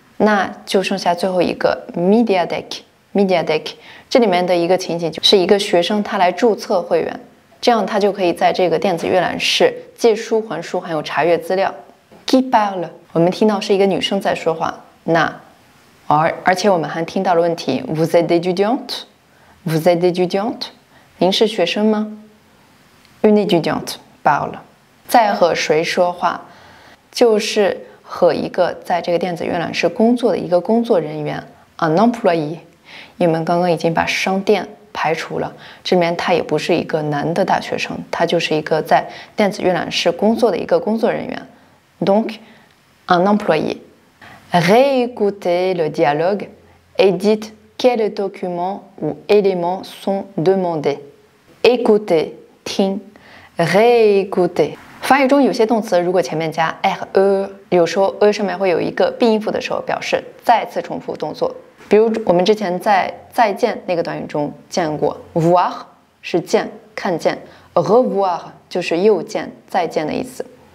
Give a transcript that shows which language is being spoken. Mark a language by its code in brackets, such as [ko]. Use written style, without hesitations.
[zh] 那就剩下最后一个 mediatheque， 这里面的一个情景就是一个学生他来注册会员，这样他就可以在这个电子阅览室借书还书，还有查阅资料。 [fr] Qui parle？ [zh] 我们听到是一个女生在说话。那而且我们还听到了问题 ： [fr] Vous êtes étudiante？ Vous êtes étudiante？ [zh] 您是学生吗 ？ [fr] Une étudiante parle。 [zh] 在和谁说话？就是和一个在这个电子阅览室工作的一个工作人员 [fr] un employé. [zh] 你们刚刚已经把商店排除了，这边他也不是一个男的大学生，他就是一个在电子阅览室工作的一个工作人员。 [fr] Donc, un employé. Réécoutez le dialogue et dites quels documents ou éléments sont demandés. Écoutez, [zh] 听 [fr] réécoutez. [zh] 翻译中有些动词如果前面加 e， 有时候 e 上面会有一个闭音符的时候，表示再次重复动作。比如我们之前在再见那个短语中见过 voir 是见，看见 revoir 就是又见，再见的意思。